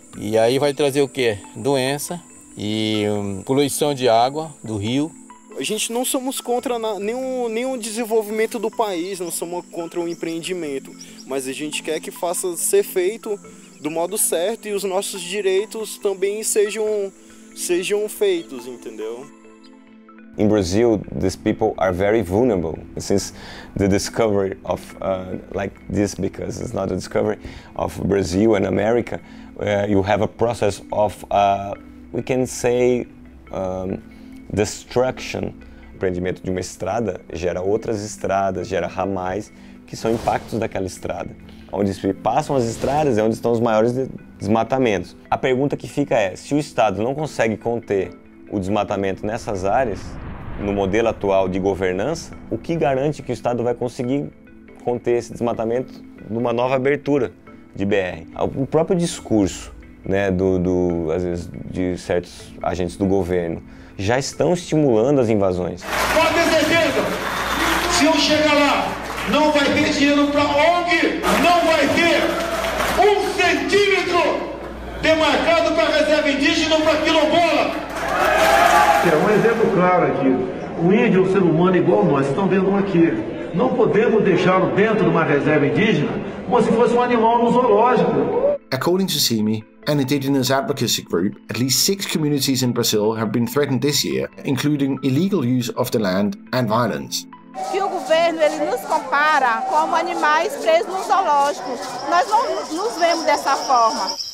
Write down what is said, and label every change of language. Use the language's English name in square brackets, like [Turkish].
[Portuguese] E aí vai trazer o quê? Doença e poluição de água do rio. A gente não somos contra nenhum desenvolvimento do país, não somos contra o empreendimento, mas a gente quer que faça ser feito do modo certo e os nossos direitos também sejam feitos, entendeu? [English] In Brazil, these people are very vulnerable since the discovery of like this, because it's not a discovery of Brazil and America. You have a process of we can say destruction. [Portuguese] O empreendimento de uma estrada gera outras estradas, gera ramais, que são impactos daquela estrada. Onde se passam as estradas é onde estão os maiores desmatamentos. A pergunta que fica é, se o Estado não consegue conter o desmatamento nessas áreas, no modelo atual de governança, o que garante que o Estado vai conseguir conter esse desmatamento numa nova abertura de BR? O próprio discurso, né, às vezes, de certos agentes do governo, já estão estimulando as invasões. Pode ter certeza, se eu chegar lá, não vai ter dinheiro para ONG, não vai ter um centímetro demarcado para reserva indígena ou para quilombola. É um exemplo claro aqui. Um índio é um ser humano igual nós, estão vendo um aqui. Não podemos deixá-lo dentro de uma reserva indígena como se fosse um animal no zoológico. [English] According to Simi, an indigenous advocacy group, at least 6 communities in Brazil have been threatened this year, including illegal use of the land and violence. [Portuguese] Se o governo ele nos compara como animais presos no zoológico, nós não nos vemos dessa forma.